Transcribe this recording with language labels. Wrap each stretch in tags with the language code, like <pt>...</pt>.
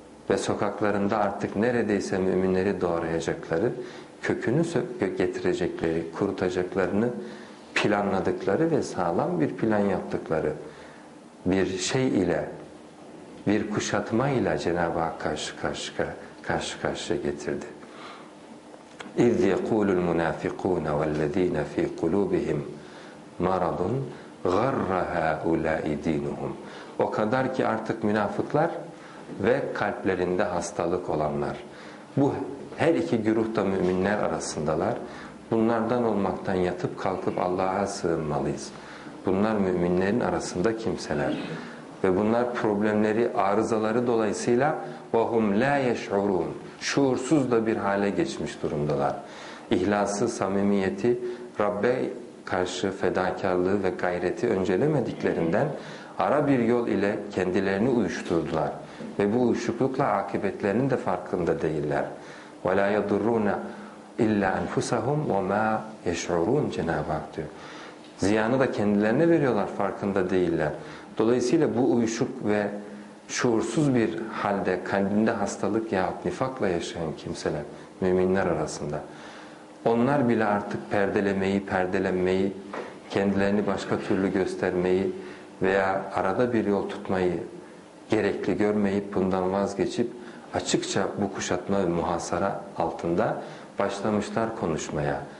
<tr>ve sokaklarında artık neredeyse müminleri doğrayacakları, kökünü getirecekleri, kurutacaklarını planladıkları ve sağlam bir plan yaptıkları bir şey ile, bir kuşatma ile Cenab-ı Hak karşı karşıya getirdi.</tr> <ar>اِذْ يَقُولُ الْمُنَافِقُونَ وَالَّذ۪ينَ ف۪ي قُلُوبِهِمْ مَرَضٌ غَرَّ هَا اُولَٰئِ د۪ينُهُمْ</ar> <tr>O kadar ki artık münafıklar ve kalplerinde hastalık olanlar. Bu her iki güruh da müminler arasındalar. Bunlardan olmaktan yatıp kalkıp Allah'a sığınmalıyız. Bunlar müminlerin arasında kimseler. Ve bunlar problemleri, arızaları dolayısıyla</tr> <ar>وَهُمْ لَا يَشْعُرُونَ</ar> <tr>şuursuz da bir hale geçmiş durumdalar. İhlası, samimiyeti, Rabb'e karşı fedakarlığı ve gayreti öncelemediklerinden ara bir yol ile kendilerini uyuşturdular. Ve bu uyuşuklukla akıbetlerinin de farkında değiller.</tr> <ar>وَلَا يَضُرُّونَ اِلَّا اَنْفُسَهُمْ وَمَا يَشْعُرُونَ</ar> <tr>Cenab-ı Hak diyor. Ziyanı da kendilerine veriyorlar, farkında değiller. Dolayısıyla bu uyuşuk ve şuursuz bir halde kalbinde hastalık yahut nifakla yaşayan kimseler müminler arasında, onlar bile artık perdelenmeyi, kendilerini başka türlü göstermeyi veya arada bir yol tutmayı gerekli görmeyip bundan vazgeçip açıkça bu kuşatma ve muhasara altında başlamışlar konuşmaya.</tr>